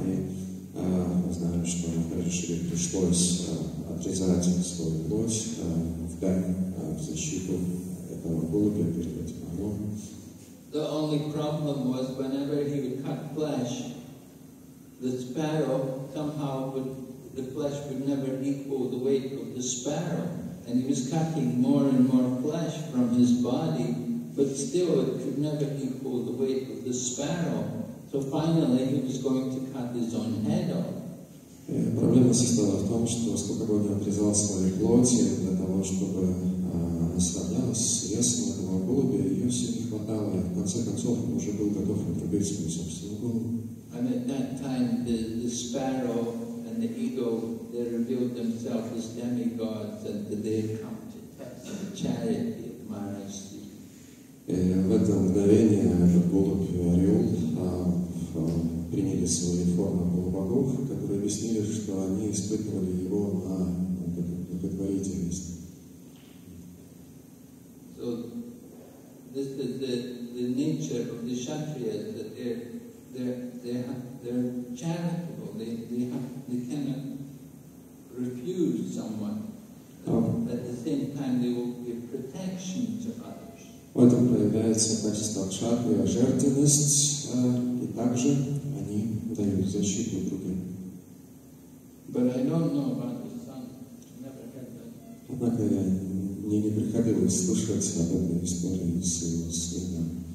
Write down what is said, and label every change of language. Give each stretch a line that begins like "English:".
Russian: И мы знаем, что Махараджа Шиви пришлось отрезать свою плоть в дань, в защиту этого голубя перед этим орлом.
English: The only problem was whenever he would cut flesh, the sparrow somehow would, the flesh would never equal the weight of the sparrow. And he was cutting more and more flesh from his body, but still it could never equal the weight of the sparrow. So finally he was going to cut his own head off.
Russian: Проблема состояла в том, что сколько бы он не отрезал свои плоти для того, чтобы наслаждался весом этого голубя, ее все не хватало, и в конце концов он уже был готов отрубить свою собственную голову.
English: And at that time the sparrow and the eagle, they revealed themselves as demigods, and they had come to test the charity of Maharaj Sivi.
Russian: В это мгновение этот голубь и орел приняли свои формы полубогов, которые объяснили, что они испытывали его на благотворительность.
English: So this is the nature of the Kshatriyas, that they're charitable. They cannot refuse someone. At the same time, they will give protection to others.
Russian: В этом проявляется качество кшатрия, жертвенность, и также они дают защиту другим.
English: But I don't know about the sun. Never heard that.
Russian: Однако мне не приходилось слышать об этой истории с его сыном.